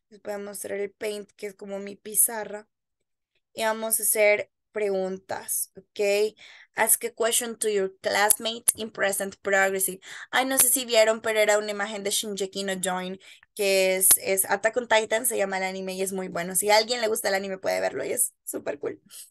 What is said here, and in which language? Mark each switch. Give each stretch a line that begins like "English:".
Spanish: Les voy a mostrar el paint, que es como mi pizarra. Y vamos a hacer preguntas, okay?
English: Ask a question to your classmate in present progressive.
Spanish: Ay, no sé si vieron, pero era una imagen de Shinji no Join, que es Attack on Titan, se llama el anime y es muy bueno. Si a alguien le gusta el anime, puede verlo y es super cool.